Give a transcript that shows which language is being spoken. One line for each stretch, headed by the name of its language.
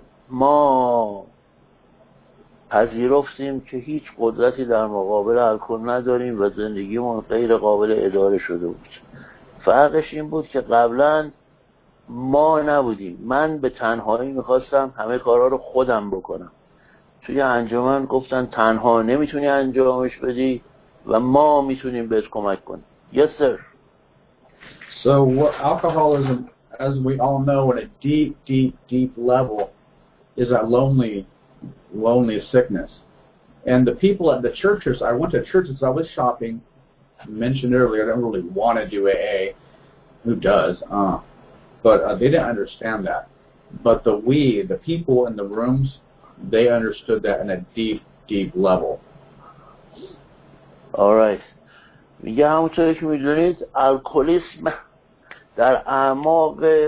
Persian: ما پذیرفتیم که هیچ قدرتی در مقابل الکل نداریم و زندگیمون غیر قابل اداره شده بود. فرقش این بود که قبلا ما نبودیم. من به تنهایی میخواستم همه کارها رو خودم بکنم. توی انجمن گفتن تنها نمیتونی انجامش بدی و ما میتونیم بهت کمک کنیم.
English: Yes, sir. So what alcoholism, as we all know, at a deep, deep, deep level, is a lonely sickness. And the people at the churches, I went to churches, I was shopping, mentioned earlier, I don't really want to do AA. Who does? But they didn't understand that. But the people in the rooms, they understood that in a deep, deep level. All right.
Persian: میگه همونطوری که میدونید الکلیسم در اعماق